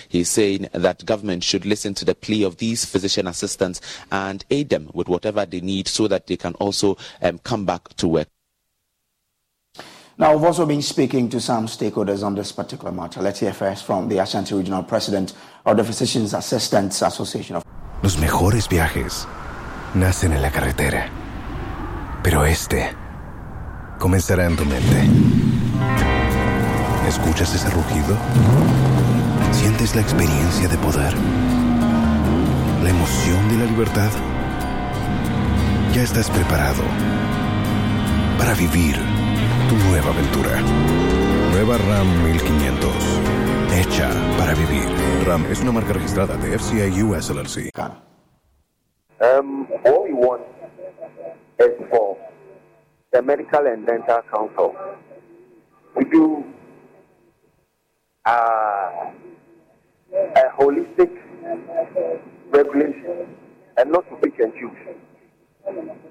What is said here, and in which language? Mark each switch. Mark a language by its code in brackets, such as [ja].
[en] He's saying that government should listen to the plea of these physician assistants and aid them with whatever they need so that they can also come back to work. Now, I've also been speaking to some stakeholders on this particular matter. Let's hear first from the Ashanti Regional President of the Physicians Assistants Association. [es] Los mejores viajes nacen en la carretera, pero este comenzará en tu mente. ¿Escuchas ese rugido? ¿Sientes la experiencia de poder? ¿La emoción de la libertad? Ya estás preparado para vivir tu nueva aventura. Nueva Ram 1500. Hecha para vivir. Ram es una marca registrada de FCA US LLC. [en] What we want is for the Medical and Dental Council to do a holistic regulation and not to pick and choose.